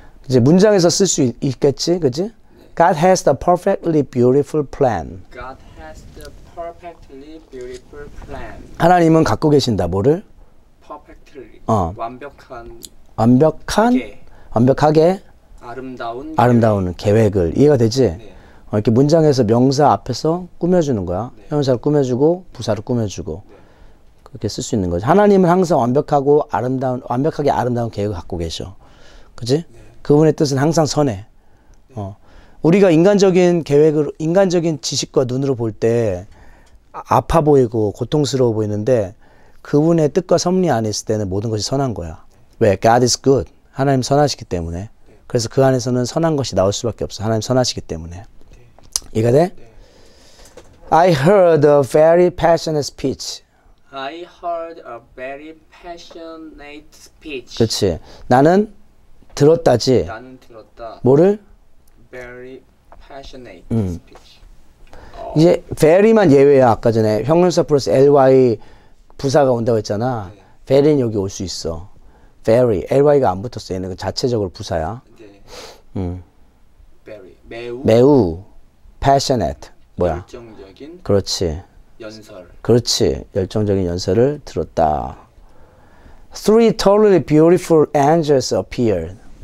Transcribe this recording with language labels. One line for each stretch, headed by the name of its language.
Korean: 이제 문장에서 쓸수 있겠지, 그지?
English: God has the perfectly beautiful plan. God has the perfectly beautiful plan.
Korean: 하나님은 갖고 계신다, 뭐를? Perfectly. 완벽한 완벽한, 계. 완벽하게 아름다운 계획. 아름다운 계획을, 이해가 되지? 이렇게 문장에서 명사 앞에서 꾸며주는 거야. 형용사를 꾸며주고, 부사를 꾸며주고. 그렇게 쓸수 있는 거지. 하나님은 항상 완벽하고 아름다운, 완벽하게 아름다운 계획을 갖고 계셔. 그지? 그분의 뜻은 항상 선해. 우리가 인간적인 계획으로, 인간적인 지식과 눈으로 볼 때, 아파 보이고, 고통스러워 보이는데, 그분의 뜻과 섭리 안에 있을 때는 모든 것이 선한 거야.
English: 왜? God is good.
Korean: 하나님 선하시기 때문에. 그래서 그 안에서는 선한 것이 나올 수밖에 없어. 하나님 선하시기 때문에. 이해가 돼?
English: I heard a very passionate speech. I heard a very passionate speech.
Korean: 그렇지. 나는 들었다지. 나는 들었다. 뭐를?
English: Very passionate speech.
Korean: 이제 very만 예외야. 아까 전에 형용사 플러스 ly 부사가 온다고 했잖아. very는 여기 올수 있어. very, ly가 안 붙었어. 얘는 자체적으로 부사야. Very 매우 매우 passionate 뭐야? 열정적인 그렇지. 연설. 그렇지. 열정적인 연설을 들었다.
English: Three totally beautiful angels appeared.